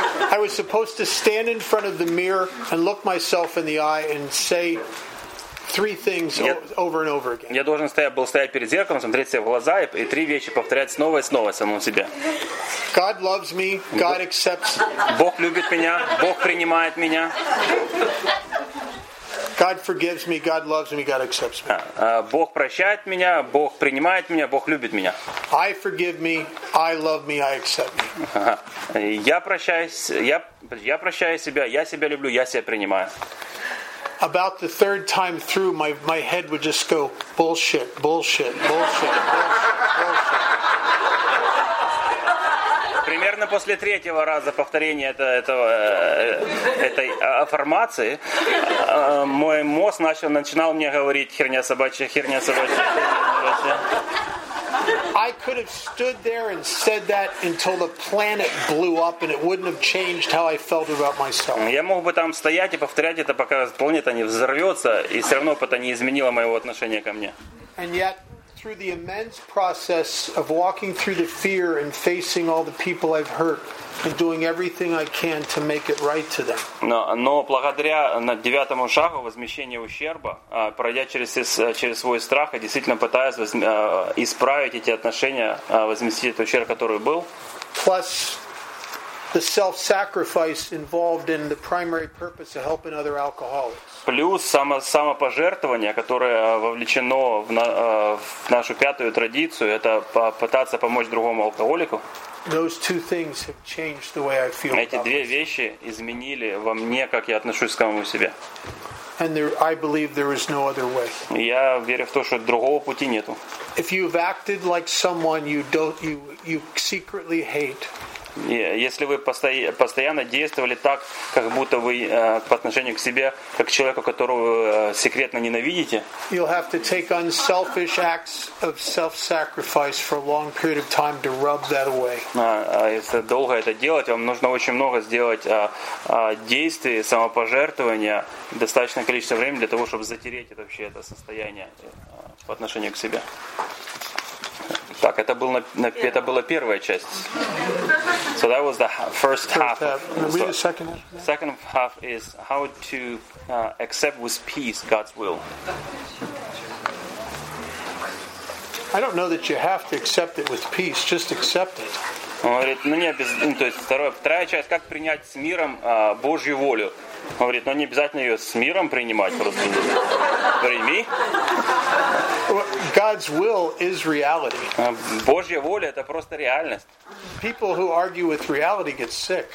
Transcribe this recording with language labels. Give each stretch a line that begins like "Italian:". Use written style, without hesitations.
English: I was supposed to stand in front of the mirror and look myself in the eye and say three things over and over again.
Russian: Я должен был стоять перед зеркалом, смотреть себе в глаза и три вещи повторять снова и снова самому себе.
English: God loves me. God accepts.
Russian: Бог любит меня. Бог принимает меня.
English: God forgives me, God loves me, God accepts me.
Russian: Бог прощает меня, Бог принимает меня, Бог любит меня.
English: I forgive me, I love me, I accept me.
Russian: Я прощаю себя, я себя люблю, я себя принимаю.
English: About the third time through, my head would just go bullshit, bullshit, bullshit, bullshit, bullshit.
Russian: Примерно после третьего раза повторения этой аффирмации мой мозг начинал мне говорить херня собачья, херня собачья,
English: I could have stood there and said that until the planet blew up and it wouldn't have changed how I felt about myself.
Russian: Я мог бы там стоять и повторять это, пока планета не взорвется, и все равно бы это не изменило моего отношения ко мне.
English: And yet, through the immense process of walking through the fear and facing all the people I've hurt and doing everything I can to make it right to them.
Russian: Но благодаря на девятому шагу возмещения ущерба, пройдя через свой страх, я действительно пытаюсь исправить эти отношения, возместить этот ущерб, который был.
English: Plus, the self-sacrifice involved in the primary purpose of helping other alcoholics.
Russian: Плюс самопожертвование, которое вовлечено в нашу пятую традицию, это пытаться помочь другому алкоголику. Эти две вещи изменили во мне, как я отношусь к самому себе.
English: And there, I believe there is no other way.
Russian: Я верю в то, что другого пути нету.
English: If you've acted like someone you secretly hate.
Russian: Если вы постоянно действовали так, как будто вы по отношению к себе, как к человеку, которого секретно ненавидите,
English: you'll have to take unselfish acts of self-sacrifice for a long period of time to rub that away.
Russian: Если долго это делать, вам нужно очень много сделать действий, самопожертвования, достаточное количество времени для того, чтобы затереть вообще это состояние по отношению к себе. Так, это была первая часть.
English: So that was the first half. Read the second half. Second half is how to accept with peace God's will. I don't know that you have to accept it with peace, just accept it.
Russian: Он говорит, то есть вторая часть, как принять с миром Божью волю. Он говорит, не обязательно ее с миром принимать, просто прими.
English: God's will is reality.
Russian: Божья воля это просто реальность.
English: People who argue with reality get sick.